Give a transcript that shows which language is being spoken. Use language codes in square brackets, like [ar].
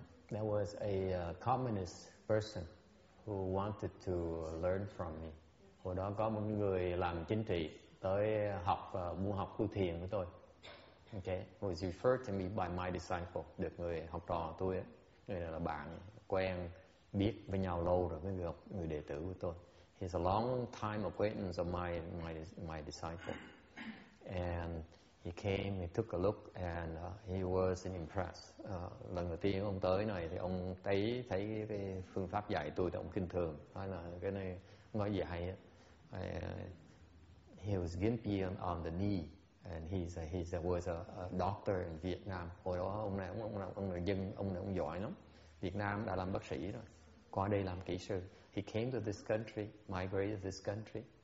[en] There was a communist person who wanted to learn from me. [vi] Hồi đó có một người làm chính trị tới học muốn học khu thiền của tôi. [en] Okay, was referred to me by my disciple, [vi] được người học trò tôi ấy, người này là bạn quen biết với nhau lâu rồi, mới được người đệ tử của tôi. [en] He's a long time acquaintance of my disciple, and he came, he took a look, and he was impressed. [vi] Lần đầu tiên ông tới này thì ông thấy cái phương pháp dạy tôi thì ông kinh thường, nói là cái này không có gì hay. [en] He was gimpy on the knee. And he was a doctor in Vietnam. [vi] Hồi đó ông này giỏi lắm. Việt Nam đã làm bác sĩ rồi. Qua đây làm kỹ sư. [en] He came to this country, migrated to this country.